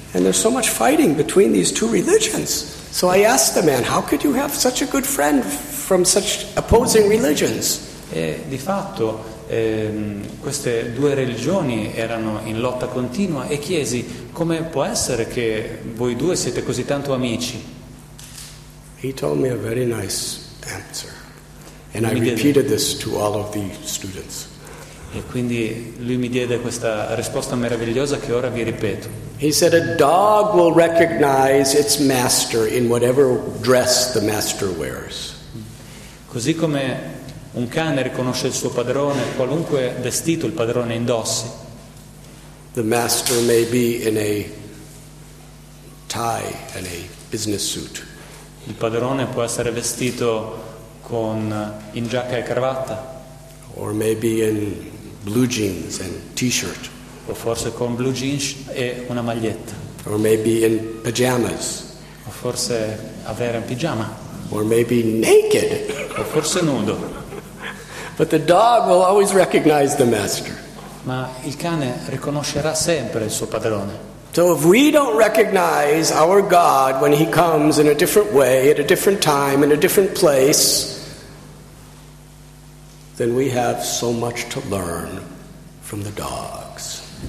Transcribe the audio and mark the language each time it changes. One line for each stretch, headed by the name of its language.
English: And there's so much fighting between these two religions. So I asked the man, how could you have such a good friend from such opposing religions?
Italian: E di fatto queste due religioni erano in lotta continua e chiesi, come può essere che voi due siete così tanto amici?
English: He told me a very nice answer. And I repeated this to all of the students.
Italian: E quindi lui mi diede questa risposta meravigliosa che ora vi ripeto.
English: He said a dog will recognize its master in whatever dress the master wears.
Italian: Così come un cane riconosce il suo padrone qualunque vestito il padrone indossi.
English: The master may be in a tie and a business suit.
Italian: Il padrone può essere vestito con in giacca e cravatta.
English: Or maybe in blue jeans and t-shirt.
Italian: O forse con blue jeans e una maglietta.
English: Or maybe in pajamas.
Italian: O forse avere un pigiama.
English: Or maybe naked.
Italian: O forse nudo.
English: But the dog will always recognize the master.
Italian: Ma il cane riconoscerà sempre il suo padrone.
English: So if we don't recognize our God when he comes in a different way, at a different time, in a different place, then we have so much to learn from the dogs.